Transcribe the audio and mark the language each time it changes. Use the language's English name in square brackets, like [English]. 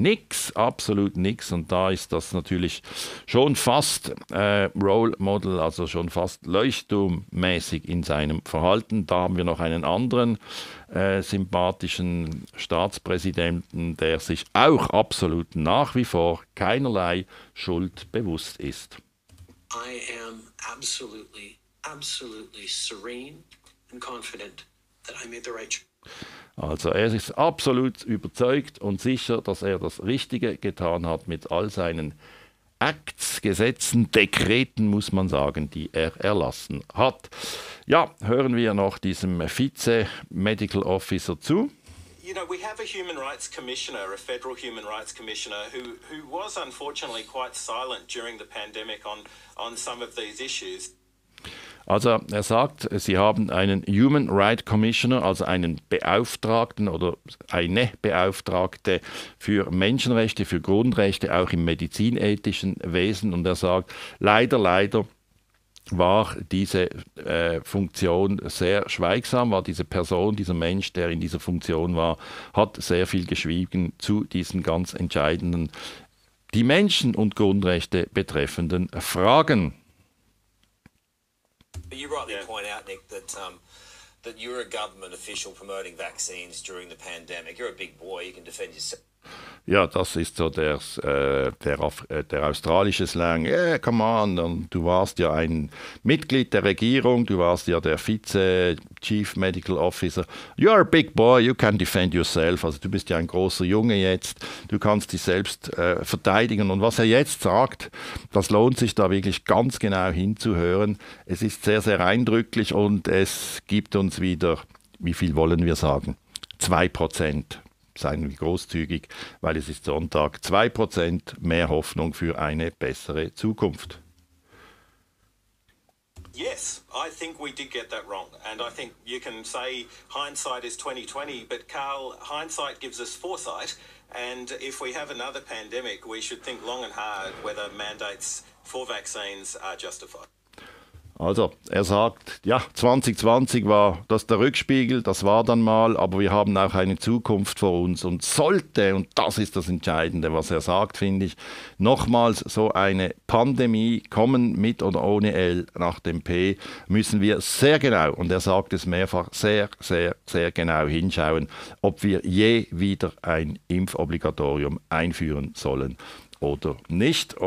[German] Nix, absolut nix. Und da ist das natürlich schon fast Role Model, also schon fast leuchtturmmäßig in seinem Verhalten. Da haben wir noch einen anderen sympathischen Staatspräsidenten, der sich auch absolut nach wie vor keinerlei Schuld bewusst ist. [English] I am absolutely, absolutely serene and confident that I made the right choice. [German] Also er ist absolut überzeugt und sicher, dass er das Richtige getan hat mit all seinen Acts, Gesetzen, Dekreten, muss man sagen, die er erlassen hat. Ja, hören wir noch diesem Vize-Medical Officer zu. [English] You know, we have a human rights commissioner, a federal human rights commissioner, who was unfortunately quite silent during the pandemic on some of these issues. [German] Also er sagt, sie haben einen Human Rights Commissioner, also einen Beauftragten oder eine Beauftragte für Menschenrechte, für Grundrechte, auch im medizinethischen Wesen. Und er sagt, leider war diese Funktion sehr schweigsam, war diese Person, dieser Mensch, der in dieser Funktion war, hat sehr viel geschwiegen zu diesen ganz entscheidenden, die Menschen und Grundrechte betreffenden Fragen. [English] But you rightly point out, Nick, that that you're a government official promoting vaccines during the pandemic. You're a big boy, you can defend yourself. [German] Ja, das ist so der australische Slang. [English] Yeah, come on, [German] und du warst ja ein Mitglied der Regierung, du warst ja der Vize-Chief Medical Officer. [English] You are a big boy, you can defend yourself. [German] Also du bist ja ein großer Junge jetzt, du kannst dich selbst verteidigen. Und was er jetzt sagt, das lohnt sich da wirklich ganz genau hinzuhören. Es ist sehr, sehr eindrücklich und es gibt uns wieder, wie viel wollen wir sagen, 2%. Seien wir großzügig, weil es ist Sonntag. 2% mehr Hoffnung für eine bessere Zukunft. [English] Yes, I think we did get that wrong. And I think you can say hindsight is 2020, but Carl, hindsight gives us foresight. And if we have another pandemic, we should think long and hard whether mandates for vaccines are justified. [German] Also, er sagt, ja, 2020 war das der Rückspiegel, das war dann mal, aber wir haben auch eine Zukunft vor uns und sollte, und das ist das Entscheidende, was er sagt, finde ich, nochmals so eine Pandemie kommen, mit oder ohne L nach dem P, müssen wir sehr genau, und er sagt es mehrfach, sehr, sehr, sehr genau hinschauen, ob wir je wieder ein Impfobligatorium einführen sollen oder nicht.